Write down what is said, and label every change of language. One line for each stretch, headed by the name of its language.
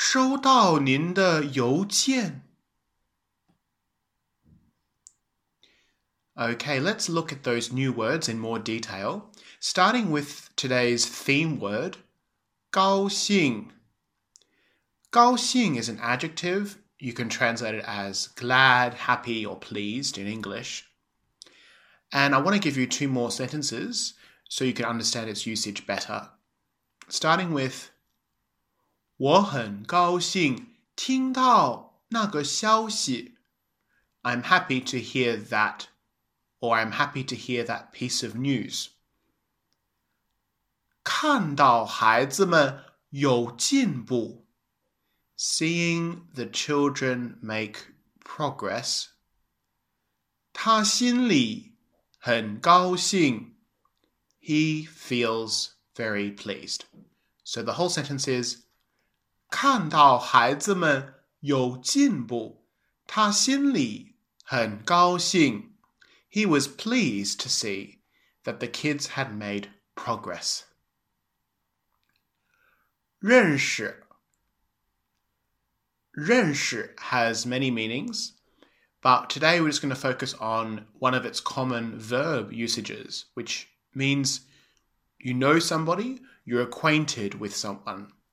Chinese: 非常高兴收到您的邮件.
English: Okay, let's look at those new words in more detail. Starting with today's theme word, 高兴. 高兴 is an adjective. You can translate it as glad, happy, or pleased in English. And I want to give you two more sentences so you can understand its usage better. Starting with,
Chinese: 我很高兴听到那个消息.
English: I'm happy to hear that, or I'm happy to hear that piece of news.
Chinese: 看到孩子们有进步.
English: Seeing the children make progress.
Chinese: 他心里很高兴.
English: He feels very pleased. So the whole sentence is,
Chinese: 看到孩子们有进步,他心里很高兴.
English: He was pleased to see that the kids had made progress.
Chinese: 认识
English: has many meanings, but today we're just going to focus on one of its common verb usages, which means you know somebody, you're acquainted with someone.